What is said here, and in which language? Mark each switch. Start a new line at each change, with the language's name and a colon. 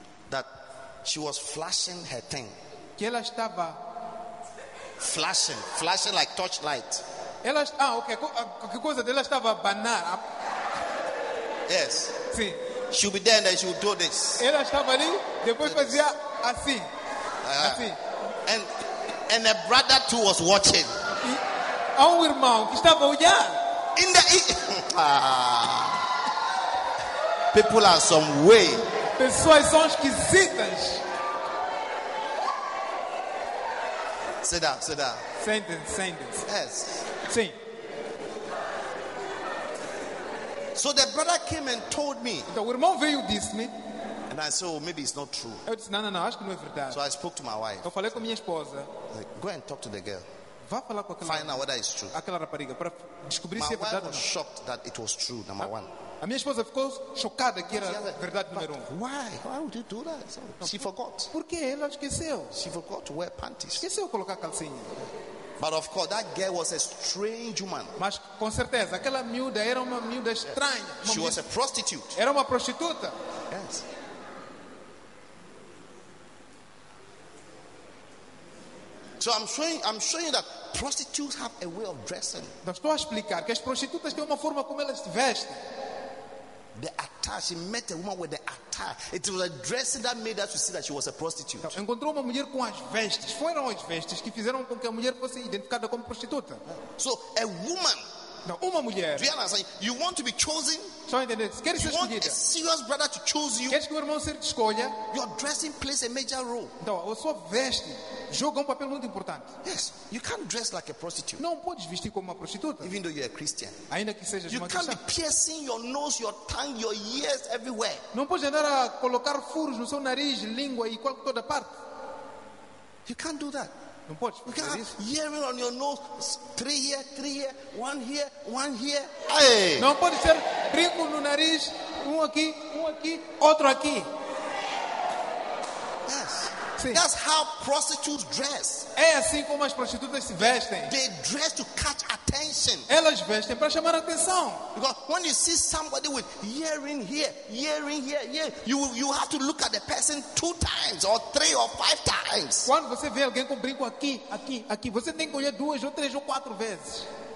English: That she was flashing her thing.
Portuguese: Que ela estava
English: flashing like torchlight.
Portuguese: Ela, ah, ok. Que coisa dela estava banar.
English: Yes.
Portuguese: Sim.
English: She'll be there and she'll do this.
Portuguese: Ela estava ali, depois fazia assim. Assim.
English: And a brother too was watching.
Portuguese: Há um irmão que estava olhando.
English: In the people are some way.
Portuguese: Pessoas são esquisitas.
English: Sit down, sit down. Sentence. Yes.
Portuguese: Sim.
English: So the brother came and told me.
Portuguese: Então o irmão veio e disse-me.
English: And I said, well, maybe it's not true.
Portuguese: Eu disse, não, acho que não é verdade.
English: So I spoke to my wife.
Portuguese: Eu falei com minha esposa.
English: Like, go and talk to the girl.
Portuguese: Vá falar com aquela.
English: Find out whether it's true.
Portuguese: Aquela rapariga para descobrir
English: my
Portuguese: se é verdade.
English: My wife was shocked that it was true. Number one.
Portuguese: A minha esposa ficou chocada que era verdade número um.
English: Why would you do that? So, she forgot.
Portuguese: Por que ela esqueceu?
English: She forgot to wear panties.
Portuguese: Esqueceu colocar calcinha.
English: But of course, that girl was a strange woman.
Portuguese: Mas com certeza aquela miúda era uma miúda estranha. Uma
English: she was a prostitute.
Portuguese: Era uma prostituta.
English: Yes. So I'm showing you that prostitutes have a way of dressing.
Portuguese: Então estou a explicar que as prostitutas têm uma forma como elas se vestem.
English: The attire, she met a woman with the attire. It was a dressing that made us to see that she was a prostitute.
Portuguese: Então, encontrou uma mulher com as vestes. Foram as vestes que fizeram com que a mulher fosse identificada como prostituta.
English: So a woman.
Portuguese: Não, uma mulher.
English: Do you understand? You want to be chosen?
Portuguese: Só entender. Quer ser escolhida?
English: You want a serious brother to choose you?
Portuguese: Quer que o irmão se escolha?
English: Your dressing plays a major role.
Portuguese: Então, a sua veste joga um papel muito importante.
English: Yes, you can't dress like a prostitute.
Portuguese: Não podes vestir como uma prostituta.
English: Even though you're a Christian.
Portuguese: Ainda que seja
English: you
Portuguese: uma
English: can't
Portuguese: cristã.
English: Be piercing your nose, your tongue, your ears everywhere.
Portuguese: Não podes andar a colocar furos no seu nariz, língua e qualquer toda parte.
English: You can't do that.
Portuguese: Não podes fazer
English: can't
Portuguese: isso.
English: You can't on your nose, three here, one here, one here. Aye.
Portuguese: Não pode ser brinco no nariz, um aqui, outro aqui.
English: Yes.
Portuguese: Sim.
English: That's how prostitutes dress.
Portuguese: É assim como as prostitutas se vestem.
English: They dress to catch attention.
Portuguese: Elas vestem para chamar atenção.
English: Because when you see somebody with earring here, you have to look at the person two times or three or five times.
Portuguese: Quando você vê alguém com brinco aqui, você tem que olhar duas ou três ou quatro vezes.